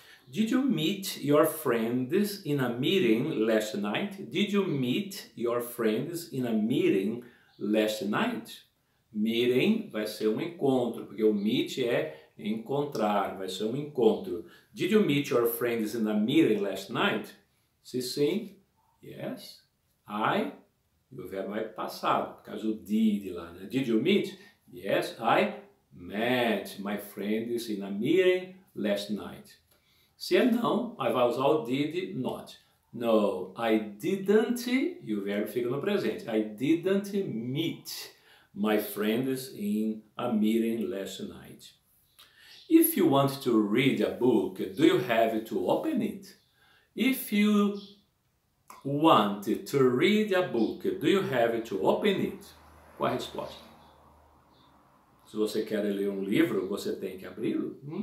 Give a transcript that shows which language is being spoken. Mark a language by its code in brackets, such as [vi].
[en] Did you meet your friends in a meeting last night? Did you meet your friends in a meeting last night? [pt] Meeting vai ser um encontro, porque o meet é encontrar, vai ser um encontro. [en] Did you meet your friends in a meeting last night? [pt] Se sim, [en] yes, I, [pt] o verbo é passado, por causa do did lá, né? [en] Did you meet? Yes, I met my friends in a meeting last night. [pt] Se é não, aí vai usar o [en] did not. No, I didn't, [pt] e o verbo fica no presente, [en] I didn't meet my friends in a meeting last night. If you want to read a book, do you have to open it? If you want to read a book, do you have to open it? [pt] Qual a resposta? Se você quer ler um livro, você tem que abri-lo?